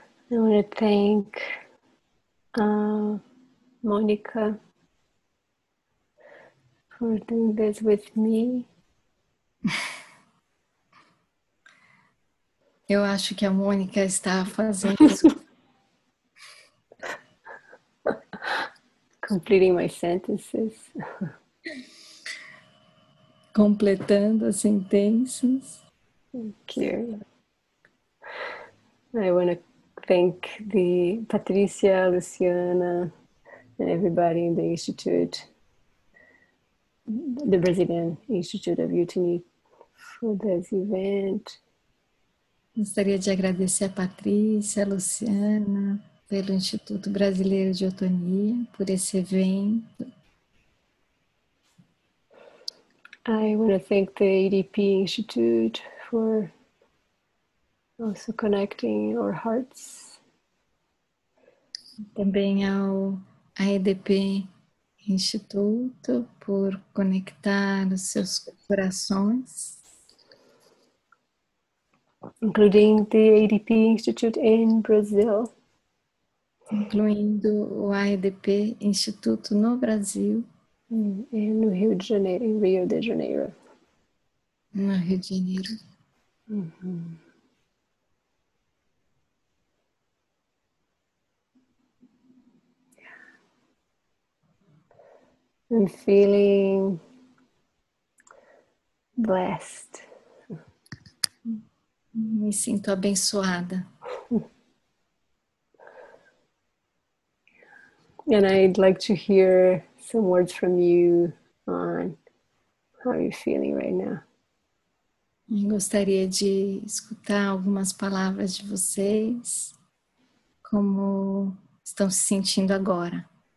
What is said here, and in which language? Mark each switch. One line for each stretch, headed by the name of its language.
English: I want to thank Monica for doing this with me.
Portuguese: Eu acho que a Mônica está fazendo isso.
English: Completing my sentences.
Portuguese: Completando as sentenças.
English: Thank you. I want to thank the Patricia, Luciana, and everybody in the Institute, the Brazilian Institute of Utini, for this event.
Portuguese: Gostaria de agradecer a Patrícia, a Luciana, pelo Instituto Brasileiro de Otonia, por esse evento.
English: I want to thank the EDP Institute for also connecting our hearts.
Portuguese: Também ao EDP Instituto por conectar os seus corações.
English: Including the ADP Institute in Brazil.
Portuguese: Incluindo o ADP Instituto no Brasil. No Rio de Janeiro, in Rio de Janeiro. No Rio de Janeiro.
English: I'm feeling blessed.
Portuguese: Me sinto abençoada.
English: And I'd like to hear some words from you on how you're feeling right now.
Portuguese: Eu gostaria de escutar algumas palavras de vocês, como estão se sentindo agora.